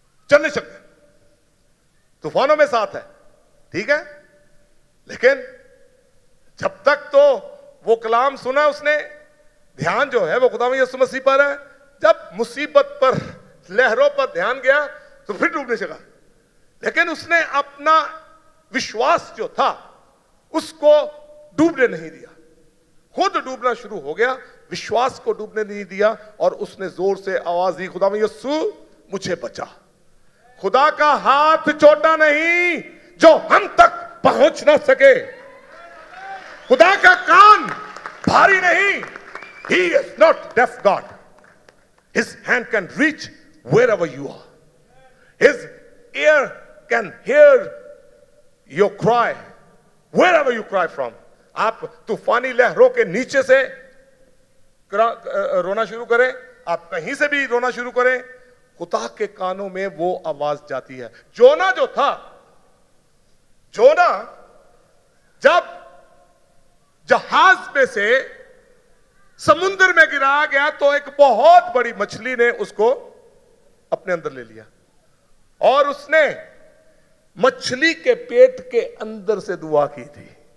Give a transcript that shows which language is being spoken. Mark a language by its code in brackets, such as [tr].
[hi] चलने चले, तूफानों में साथ है, ठीक है, लेकिन जब तक तो वो कलाम सुना उसने, ध्यान जो है वो खुदा यीशु मसीह पर है, जब मुसीबत पर लहरों पर ध्यान गया तो फिर डूबने चला, लेकिन उसने अपना विश्वास जो था उसको डूबने नहीं दिया, खुद डूबना शुरू हो गया, विश्वास को डूबने नहीं दिया और उसने जोर से आवाज दी, खुदा यीशु मुझे बचा। खुदा का हाथ छोटा नहीं जो हम तक पहुंच ना सके, खुदा का कान भारी नहीं, [en] He is not deaf God. His hand can reach wherever you are. His ear can hear your cry. Wherever you cry from, [hi] आप तूफानी लहरों के नीचे से रोना शुरू करें, आप कहीं से भी रोना शुरू करें, खुदा के कानों में वो आवाज जाती है। जोना जो था, जोना जब जहाज में से समुद्र में गिराया गया तो एक बहुत बड़ी मछली ने उसको अपने अंदर ले लिया और उसने मछली के पेट के अंदर से दुआ की थी।